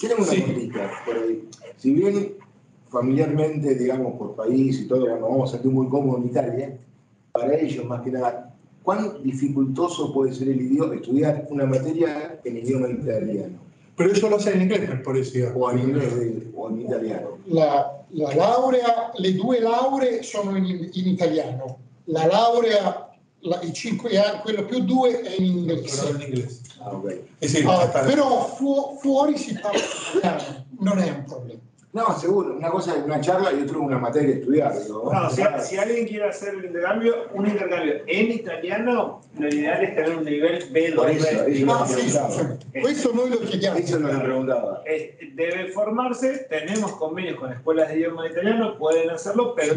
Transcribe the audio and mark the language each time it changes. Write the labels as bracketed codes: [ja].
[es] Tienen una pregunta por ahí. Si bien familiarmente, digamos, por país y todo, nos vamos a sentir muy cómodos en Italia, para ellos, más que nada, ¿cuán dificultoso puede ser el idioma, estudiar una materia en idioma italiano? Pero eso lo hace en inglés, me parecía. O en inglés, o en italiano. [it] La laurea, le due lauree sono in italiano. La laurea, i 5 anni, quello più 2, è in inglese. Però in inglese. Ah, ok. Però fuori si parla italiano, non è un problema. [es] No, seguro, una cosa es una charla y otra una materia estudiada. No, si alguien quiere hacer un intercambio en italiano, lo ideal es tener un nivel B2. Eso no es lo que ya. Eso no lo preguntaba. Debe formarse, tenemos convenios con escuelas de idioma italiano, pueden hacerlo, pero